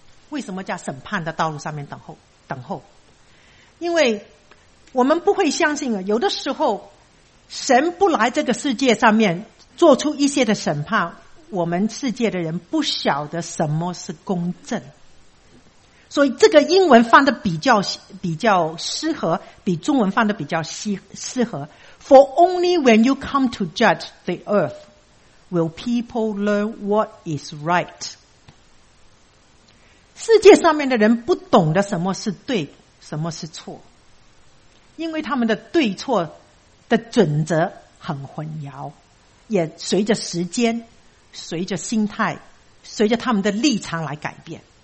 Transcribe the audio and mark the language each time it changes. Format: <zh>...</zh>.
<zh>为什么叫审判的道路上面等候？等候，因为我们不会相信啊，有的时候神不来这个世界上面做出一些的审判，我们世界的人不晓得什么是公正。所以这个英文放的比较适合，比中文放的比较适合。</zh> <en>For only when you come to judge the earth will people learn what is right。</en> <zh>世界上面的人不懂得什么是对，什么是错，因为他们的对错的准则很混淆，也随着时间，随着心态，随着他们的立场来改变。</zh>